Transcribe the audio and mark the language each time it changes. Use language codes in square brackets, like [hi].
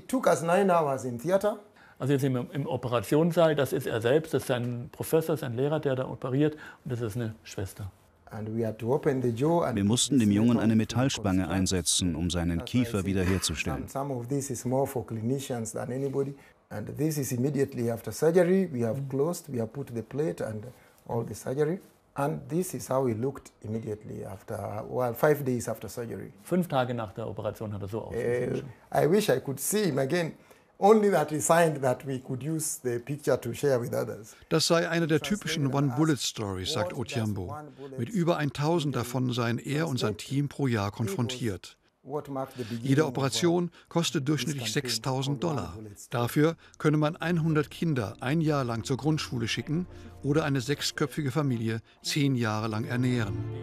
[de] Also jetzt sind wir im Operationssaal, das ist er selbst, das ist sein Professor, sein Lehrer, der da operiert, und das ist eine Schwester. Wir mussten dem Jungen eine Metallspange einsetzen, um seinen Kiefer wiederherzustellen. [en] And this is immediately after surgery. We have closed, we have put the plate and all the surgery. And this is how he looked immediately after, well, 5 days after surgery. [de] 5 Tage nach der Operation hat er so ausgesehen. [en] I wish I could see him again. Only that he signed that we could use the picture to share with others. [de] Das sei eine der typischen One-Bullet-Stories, sagt Utiambo. Mit über 1000 davon seien er und sein Team pro Jahr konfrontiert. Jede Operation kostet durchschnittlich $6,000. Dafür könne man 100 Kinder ein Jahr lang zur Grundschule schicken oder eine sechsköpfige Familie 10 Jahre lang ernähren.